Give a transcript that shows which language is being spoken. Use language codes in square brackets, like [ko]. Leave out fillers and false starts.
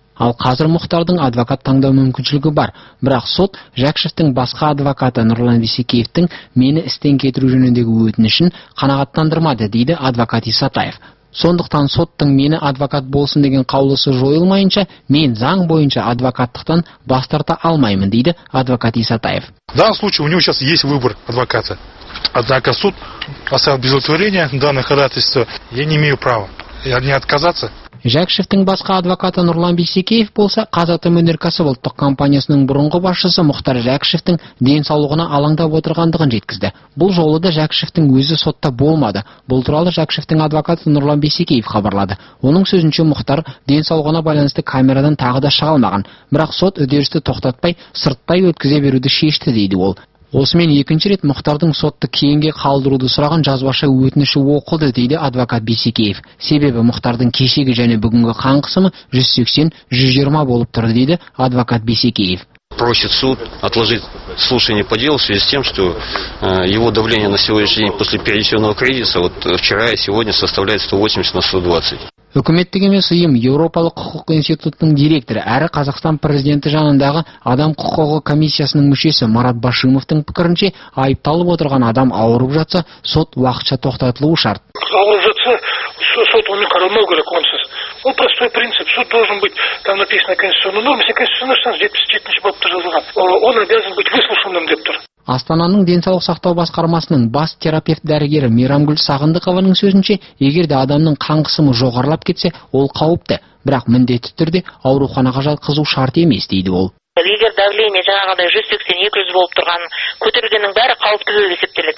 [kk] Ал қазір Мұхтардың адвокат таңдау мүмкіншілігі бар, бірақ сот Жәкішевтің басқа адвокаты Нұрлан Бисекеевтің мені істен кетіру жөніндегі өтінішін қанағаттандырмады, дейді адвокат Исатаев. Сондықтан соттың мені адвокат болсын деген қаулысы жойылмайынша, мен заң бойынша адвокаттықтан бас тарта алмаймын, дейді адвокат Исатаев. [ru] Данный случай у него сейчас есть выбор адвоката. Однако суд оставил без удовлетворения данное ходатайство. Я не имею права не отказаться. [kk] Жәкішевтің басқа адвокаты Нұрлан Бисекеев болса, Қазатомөнеркәсіп ұлттық компаниясының бұрынғы басшысы Мұхтар Жәкішевтің денсаулығына алаңдап отырғандығын жеткізді. Бұл жолы да Жәкішевтің өзі сотта болмады. Бұл туралы Жәкішевтің адвокаты Нұрлан Бисекеев хабарлады. Оның сөзінше Мұхтар денсаулығына байланысты камерадан тағы да шыға алмаған, бірақ сот үдерісті тоқтатпай, сырттай өткізе беруді шешті, дейді ол. Осымен екінші рет Мұхтардың сотты кейінге қалдыруды сұраған жазбаша өтініші оқылды, дейді адвокат Бисекеев. Себебі Мұхтардың кешегі және бүгінгі қан қысымы 180-120 болып тұрды, дейді адвокат Бисекеев. [ru] Просит суд отложить слушание по делу в связи с тем, что его давление на сегодняшний день после пересечённого кризиса вот вчера и сегодня составляет 180-120. [kk] Үкіметтік емес ұйым Еуропалық құқық институтының директоры әрі Қазақстан президенті жанындағы адам құқығы комиссиясының мүшесі Марат Башимовтың пікірінше айыпталып отырған адам ауырып жатса, сот уақытша тоқтатылуы шарт. Ауырып жатса, сот оны қарамау керек онсыз. [ru] Ол простой принцип. Суд должен быть, там написано конституционная норма, если конституционная норма [kk] 77-ші бапта жазылған. [ru] Он обязан быть выслушанным, [kk] деп тұр. Астананың денсаулық сақтау басқармасының бас терапевт дәрігері Мирамгүл Сағындықованың сөзінше, егер де адамның қан қысымы жоғарылап кетсе, ол қауіпті, бірақ міндетті түрде ауруханаға жатқызу шарт емес, дейді ол. Егер давление жаңағыдай 180-200 болып тұрған көтергеннің бәрі қауіпті болып есептеледі.